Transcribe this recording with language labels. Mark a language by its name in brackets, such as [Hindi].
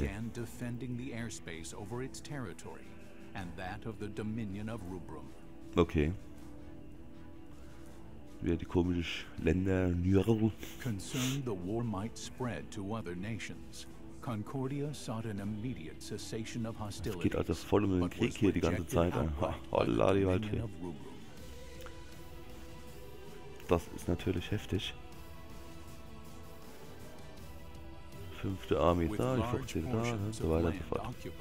[English] Began defending the airspace over its territory and that of the Dominion of Rubrum. Okay. [German] Wer die komischen Länder Nürl. [English] Concerned the war might spread to other nations. Concordia sought an immediate cessation of hostilities. [German] Es geht also voll um den Krieg hier die ganze Zeit. Holla die Waldfee. Das ist natürlich heftig. Fünfte Armee da, die 15 da, so weiter und so fort.